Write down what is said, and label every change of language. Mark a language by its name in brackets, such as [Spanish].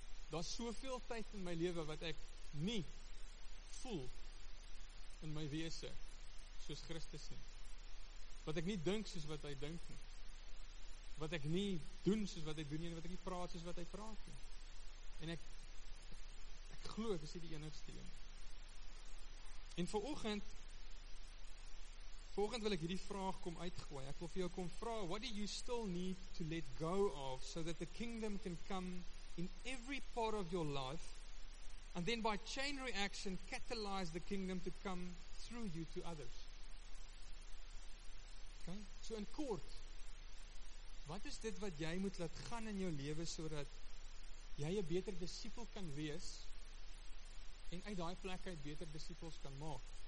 [Afrikaans] Daar is soveel tyd in my lewe wat ek nie voel in my wese soos Christus nie. Wat ek nie dink soos wat hy dink nie. Wat ek nie doen soos wat hy doen nie en wat ek nie praat soos wat hy praat nie. En ek glo ek is die enigste een. En vanoggend wil ek hierdie vraag kom uitgooi. Ek wil vir jou kom vra, [English] what do you still need to let go of so that the kingdom can come in every part of your life and then by chain reaction catalyze the kingdom to come through you to others. Okay? [Afrikaans] So in kort, wat is dit wat jy moet laat gaan in jou lewe sodat jy 'n beter disipel kan wees en uit daai plek uit beter disipels kan maak?